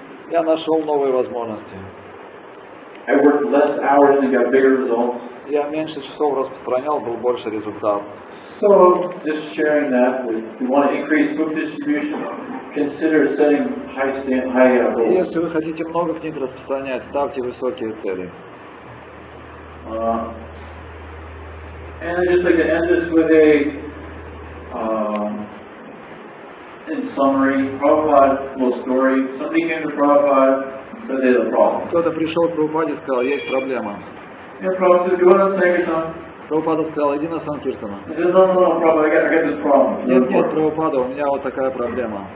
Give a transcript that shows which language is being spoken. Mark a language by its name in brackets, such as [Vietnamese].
[Russian] Я нашел новые возможности. Я меньше часов распространял, был больше результат. [English] So, just sharing that, if you want to increase book distribution, consider setting high goals. [Russian] Если вы хотите много книг распространять, ставьте высокие цели. [English] And I'd just like to end this with a, in summary, Prabhupada's little story. Somebody came to Prabhupada, but there's a problem. [Russian] Кто-то пришел к Прабхупаде и сказал, есть проблема. [English] Yeah, Prabhupada said, you want to take it on? [Russian] Прабхупада сказал, иди на Санкиртана. Нет, нет, Прабхупада, у меня вот такая проблема.